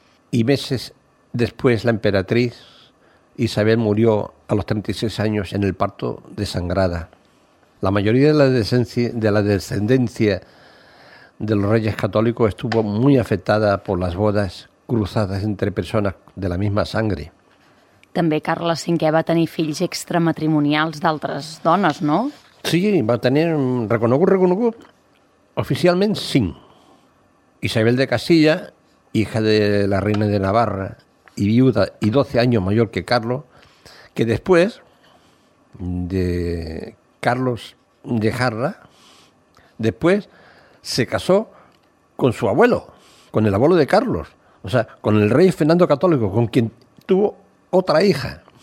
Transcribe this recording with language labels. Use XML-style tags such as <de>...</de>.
<es>Y meses después la emperatriz Isabel murió a los 36 años en el parto desangrada. La mayoría de la descendencia de los Reyes Católicos estuvo muy afectada por las bodas cruzadas entre personas de la misma sangre.</es> <ca>També Carles V va tenir fills extramatrimonials d'altres dones, no? Sí, va tenir reconegut oficialment 5.</ca> <es>Isabel de Castilla, hija de la reina de Navarra y viuda y 12 años mayor que Carlos, que después de Carlos dejarla, después se casó con su abuelo, con el abuelo de Carlos, o sea, con el rey Fernando Católico, con quien tuvo otra hija.</es>